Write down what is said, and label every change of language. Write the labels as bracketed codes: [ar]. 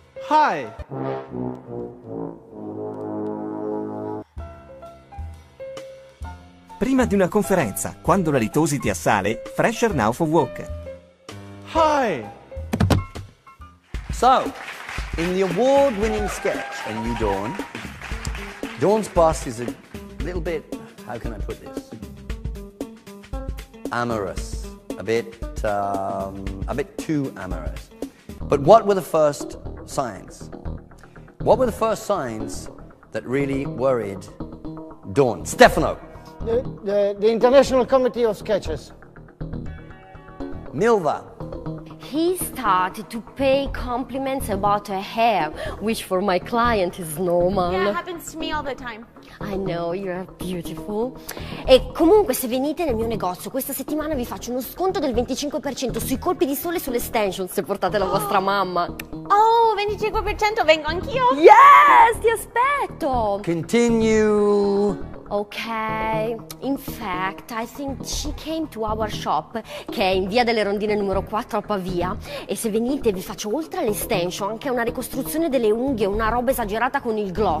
[en] Hi! [it] Prima di una conferenza, quando la litosi ti assale, [en] fresher now for work. Hi! So, in the award-winning sketch, A New Dawn, Dawn's boss is a little bit, how can I put this? Amorous. A bit too amorous. But what were the first signs? What were the first signs that really worried Dawn? Stefano! The International Committee of Sketches. Milva. He started to pay compliments about her hair, which for my client is normal. Yeah, it happens to me all the time. I know, you're beautiful. [it] E comunque, se venite nel mio negozio, questa settimana vi faccio uno sconto del 25% sui colpi di sole e sulle extensions, se portate la vostra mamma. Oh, 25%, vengo anch'io. [en] Yes, [it] ti aspetto. [en] Continue. Okay, in fact, I think she came to our shop, [it] che è in via delle rondine numero 4 a Pavia, e se venite vi faccio, oltre all'extension, anche una ricostruzione delle unghie, una roba esagerata con il gloss.